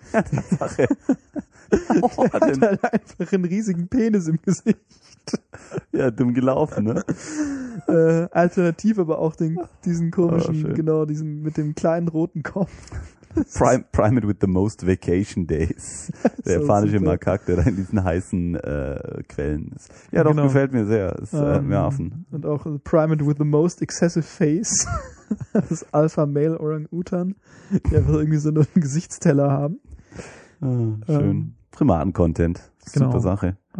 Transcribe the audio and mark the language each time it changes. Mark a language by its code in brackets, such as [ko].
[de] Der hat halt einfach einen riesigen Penis im Gesicht. Ja, dumm gelaufen, ne? Alternativ aber auch diesen komischen, genau, diesen mit dem kleinen roten Kopf. [en] Primate with the most vacation days. [de] Der japanische Makak, der da in diesen heißen Quellen ist. Ja, doch, genau. Gefällt mir sehr. Ist mehr Affen. Und auch [en] Primate with the most excessive face. [de] Das ist Alpha Male Orang-Utan, die einfach irgendwie so einen Gesichtsteller haben. Schön. Primaten-Content. Super, genau. Sache.